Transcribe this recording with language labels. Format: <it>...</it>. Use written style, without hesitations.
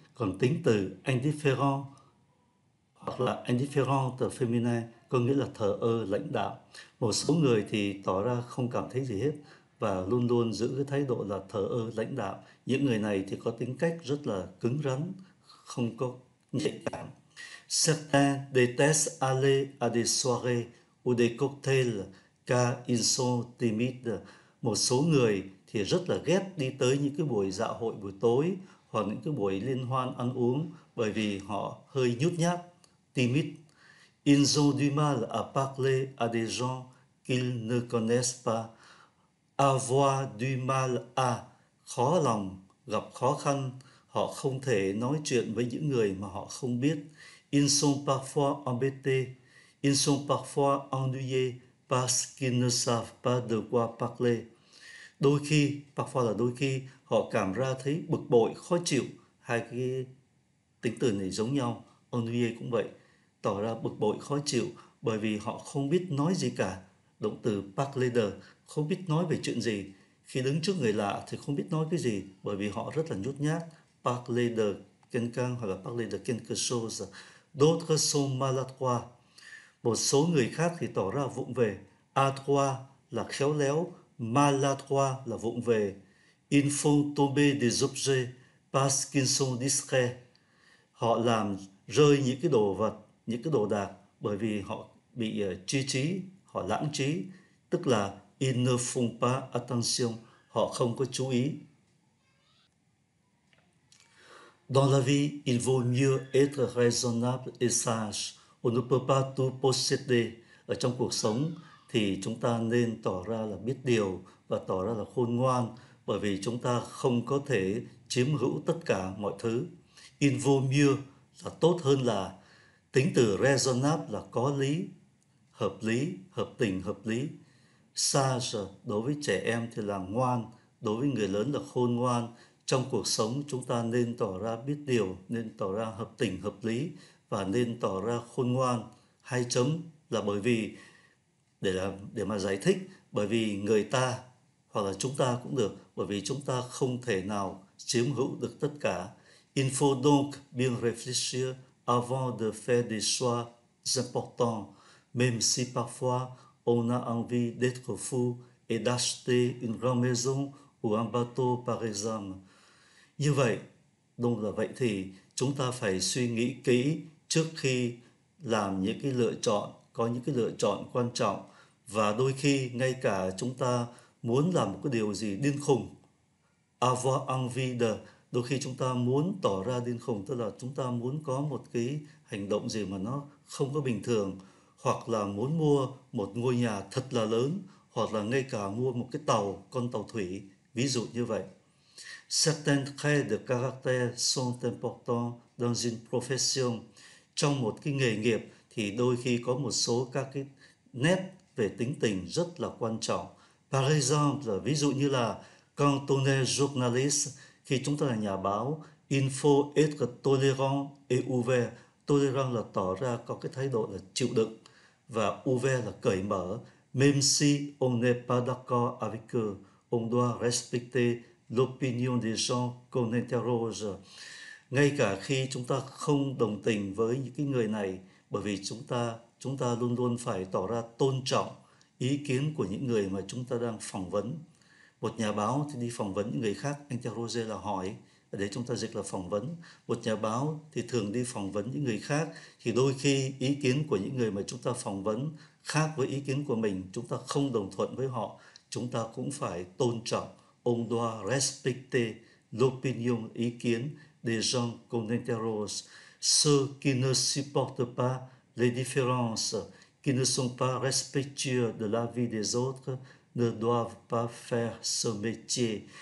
<vi>Còn tính từ indifférent hoặc là indifférent từ feminine có nghĩa là thờ ơ, lãnh đạm. Một số người thì tỏ ra không cảm thấy gì hết và luôn luôn giữ cái thái độ là thờ ơ, lãnh đạm. Những người này thì có tính cách rất là cứng rắn, không có nhạy cảm.</vi> <fr>Certains détestent aller à des soirées ou des cocktails car ils sont timides.</fr> <vi>Một số người thì rất là ghét đi tới những cái buổi dạ hội buổi tối hoặc những cái buổi liên hoan ăn uống bởi vì họ hơi nhút nhát, timid.</vi> <fr>Ils ont du mal à parler à des gens qu'ils ne connaissent pas. Avoir du mal à,</fr> <vi>khó lòng, gặp khó khăn, họ không thể nói chuyện với những người mà họ không biết.</vi> <fr>Ils sont parfois embêtés, ils sont parfois ennuyés. Parce qu'ils ne savent pas de quoi parler.</fr> <vi>Đôi khi, parfois là đôi khi, họ cảm ra thấy bực bội, khó chịu. Hai cái tính từ này giống nhau. Ennuyé cũng vậy. Tỏ ra bực bội, khó chịu bởi vì họ không biết nói gì cả. Động từ parler de, không biết nói về chuyện gì. Khi đứng trước người lạ thì không biết nói cái gì bởi vì họ rất là nhút nhát.</vi> <fr>Parler de quelqu'un</fr> <vi>hoặc là</vi> <fr>parler de quelque chose. D'autres sont maladroits.</fr> <vi>Một số người khác thì tỏ ra vụng về. Adroit là khéo léo, maladroit là vụng về.</vi> <fr>Ils font tomber des objets parce qu'ils sont discrets.</fr> <vi>Họ làm rơi những cái đồ vật, những cái đồ đạc bởi vì họ bị chi trí, họ lãng trí, tức là</vi> <fr>ils ne font pas attention,</fr> <vi>họ không có chú ý.</vi> <fr>Dans la vie, il vaut mieux être raisonnable et sage. On ne peut pas tout posséder.</fr> <vi>Ở trong cuộc sống thì chúng ta nên tỏ ra là biết điều và tỏ ra là khôn ngoan bởi vì chúng ta không có thể chiếm hữu tất cả mọi thứ. In vô mưa là tốt hơn là tính từ raisonnable là có lý, hợp tình, hợp lý. Sage đối với trẻ em thì là ngoan, đối với người lớn là khôn ngoan. Trong cuộc sống chúng ta nên tỏ ra biết điều, nên tỏ ra hợp tình, hợp lý và nên tỏ ra khôn ngoan. Hai chấm là bởi vì, để mà giải thích, bởi vì người ta hoặc là chúng ta cũng được, bởi vì chúng ta không thể nào chiếm hữu được tất cả.</vi> <fr>Il faut donc bien réfléchir avant de faire des choix importants, même si parfois on a envie d'être fou et d'acheter une grande maison ou un bateau par exemple.</fr> <vi>Như vậy, đúng là vậy thì chúng ta phải suy nghĩ kỹ trước khi làm những cái lựa chọn, có những cái lựa chọn quan trọng. Và đôi khi ngay cả chúng ta muốn làm một cái điều gì điên khùng,</vi> <fr>avoir envie de,</fr> <vi>đôi khi chúng ta muốn tỏ ra điên khùng, tức là chúng ta muốn có một cái hành động gì mà nó không có bình thường, hoặc là muốn mua một ngôi nhà thật là lớn, hoặc là ngay cả mua một cái tàu, con tàu thủy, ví dụ như vậy.</vi> <fr>Certains traits de caractère sont importants dans une profession.</fr> <vi>Trong một cái nghề nghiệp thì đôi khi có một số các cái nét về tính tình rất là quan trọng.</vi> <fr>Par exemple,</fr> <vi>ví dụ như là</vi> <fr>quand on est journaliste,</fr> <vi>khi chúng ta là nhà báo,</vi> <fr>il faut être tolérant et ouvert.</fr> <vi>Tolérant là tỏ ra có cái thái độ là chịu đựng, và ouvert là cởi mở.</vi> <fr>Même si on n'est pas d'accord avec eux, on doit respecter l'opinion des gens qu'on interroge.</fr> <vi>Ngay cả khi chúng ta không đồng tình với những cái người này, bởi vì chúng ta luôn luôn phải tỏ ra tôn trọng ý kiến của những người mà chúng ta đang phỏng vấn. Một nhà báo thì đi phỏng vấn những người khác, interroge là hỏi, để chúng ta dịch là phỏng vấn. Một nhà báo thì thường đi phỏng vấn những người khác, thì đôi khi ý kiến của những người mà chúng ta phỏng vấn khác với ý kiến của mình, chúng ta không đồng thuận với họ, chúng ta cũng phải tôn trọng.</vi> <fr>On doit respecter l'opinion,</fr> <vi>ý kiến</vi> <fr>des gens qu'on interroge. Ceux qui ne supportent pas les différences, qui ne sont pas respectueux de la vie des autres, ne doivent pas faire ce métier.</fr>